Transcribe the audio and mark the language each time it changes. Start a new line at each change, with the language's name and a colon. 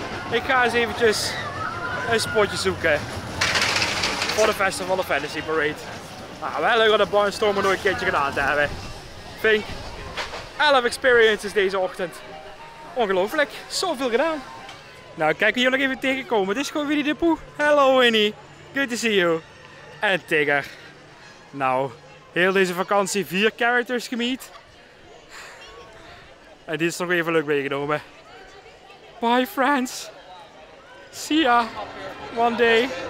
Dutch: Ik ga eens eventjes een spotje zoeken voor de Festival of Fantasy Parade. Nou, wel leuk om de Barnstormer nog een keertje gedaan te hebben. Vink, 11 experiences deze ochtend. Ongelooflijk, zoveel gedaan. Nou, kijk wie hier nog even tegenkomen. Dit is gewoon Winnie de Pooh.
English: Hello Winnie, good to see you.
Dutch: En Tigger. Nou, heel deze vakantie 4 characters gemiet. En dit is nog even leuk meegenomen.
English: Bye friends. See ya. One day.